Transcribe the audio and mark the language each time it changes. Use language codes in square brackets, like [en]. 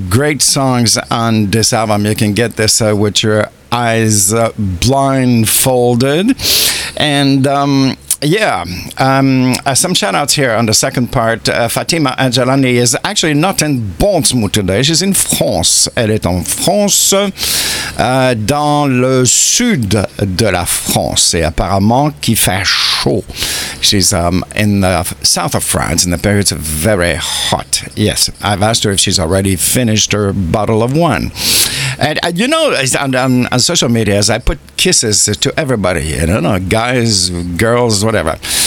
[en] Great songs on this album. You can get this with your eyes blindfolded. And some shout outs here on the second part. Fatima Angelani is actually not in Bonsmo today. She's in France. [fr] Elle est en France, dans le sud de la France. Et apparemment, qui fait chaud. [en] She's in the south of France, and the period's very hot. Yes, I've asked her if she's already finished her bottle of wine. And you know, on social media, as I put kisses to everybody, you know, guys, girls, whatever.